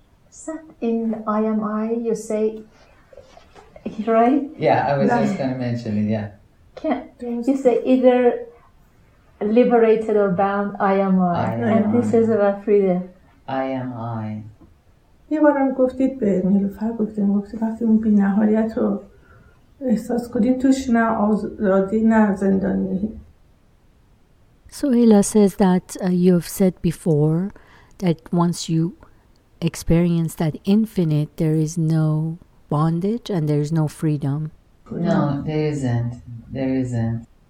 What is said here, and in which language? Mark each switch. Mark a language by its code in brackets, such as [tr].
[en] Sat in IMI, you say, right? Yeah, I was like, just going to mention it, yeah. You say either liberated or bound IMI, and this is about freedom. IMI. [fa] یه بارم گفتید به نیلوفر گفتیم گفتید وقتی اون بی نهایت رو احساس کنید توش نه آزادی نه زندانی. [en] So Hila says that you have said before that once you experience that infinite, there is no bondage and there is no freedom. No, there isn't. There isn't.